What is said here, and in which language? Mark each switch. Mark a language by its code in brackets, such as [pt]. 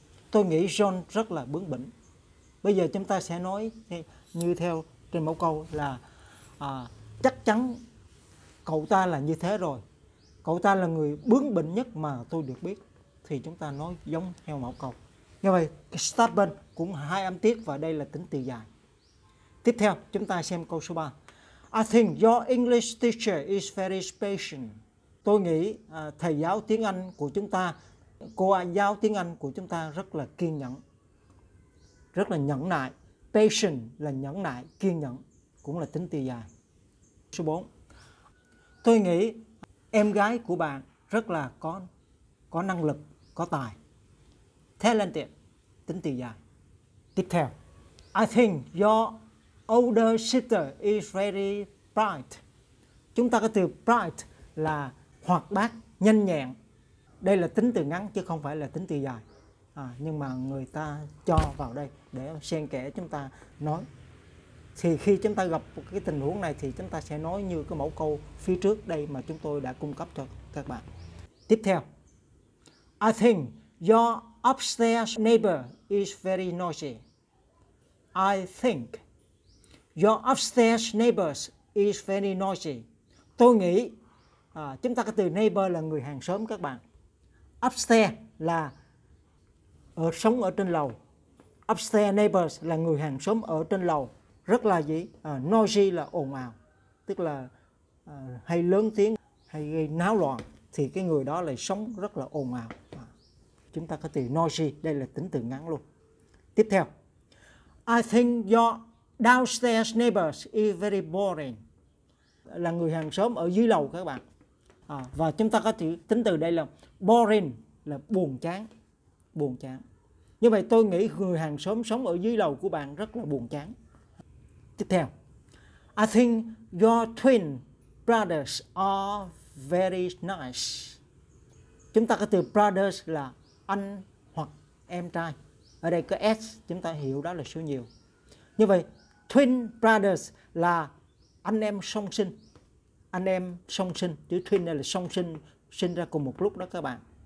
[vi] Tôi nghĩ John rất là bướng bỉnh. Bây giờ chúng ta sẽ nói như theo trên mẫu câu là chắc chắn cậu ta là như thế rồi. Cậu ta là người bướng bỉnh nhất mà tôi được biết. Thì chúng ta nói giống theo mẫu câu. Như vậy, stubborn cũng hai âm tiết và đây là tính từ dài. Tiếp theo, chúng ta xem câu số 3. [en] I think your English teacher is very patient. [vi] Tôi nghĩ thầy giáo tiếng Anh của chúng ta, cô giáo tiếng Anh của chúng ta rất là kiên nhẫn. Rất là nhẫn nại. Patient là nhẫn nại, kiên nhẫn. Cũng là tính từ dài. Số 4. Tôi nghĩ em gái của bạn rất là có năng lực, có tài. Talented, tính từ dài. Tiếp theo. [en] I think your older sister is very bright. [vi] Chúng ta có từ bright là hoạt bát, nhanh nhẹn. Đây là tính từ ngắn chứ không phải là tính từ dài. Nhưng mà người ta cho vào đây để xen kẽ chúng ta nói. Thì khi chúng ta gặp cái tình huống này thì chúng ta sẽ nói như cái mẫu câu phía trước đây mà chúng tôi đã cung cấp cho các bạn. Tiếp theo. [en] I think your upstairs neighbor is very noisy. I think your upstairs neighbors is very noisy. [vi] Tôi nghĩ chúng ta có từ neighbor là người hàng xóm các bạn. Upstairs là sống ở trên lầu. Upstairs neighbors là người hàng xóm ở trên lầu. Rất là gì? Noisy là ồn ào. Tức là hay lớn tiếng, hay gây náo loạn. Thì cái người đó lại sống rất là ồn ào. Chúng ta có từ noisy, đây là tính từ ngắn luôn. Tiếp theo. [en] I think your downstairs neighbors is very boring. [vi] Là người hàng xóm ở dưới lầu các bạn. Và chúng ta có thể tính từ đây là boring, là buồn chán. Buồn chán. Như vậy tôi nghĩ người hàng xóm sống ở dưới lầu của bạn rất là buồn chán. Tiếp theo. [en] I think your twin brothers are very nice. [vi] Chúng ta có từ brothers là anh hoặc em trai. Ở đây có S, chúng ta hiểu đó là số nhiều. Như vậy, twin brothers là anh em song sinh. Anh em song sinh, chữ twin này là song sinh, sinh ra cùng một lúc đó các bạn.